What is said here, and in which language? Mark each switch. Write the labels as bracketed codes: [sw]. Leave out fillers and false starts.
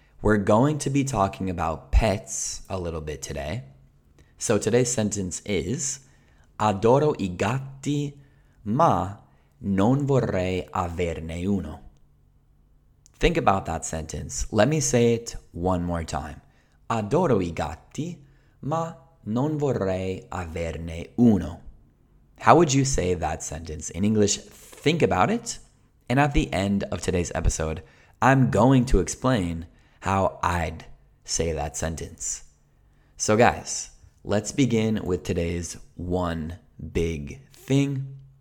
[en] We're going to be talking about pets a little bit today. So today's sentence is, [it] Adoro I gatti, ma non vorrei averne uno. [en] Think about that sentence. Let me say it one more time. [it] Adoro I gatti, ma non vorrei averne uno. [en] How would you say that sentence in English? Think about it. And at the end of today's episode, I'm going to explain how I'd say that sentence. So guys, let's begin with today's one big thing.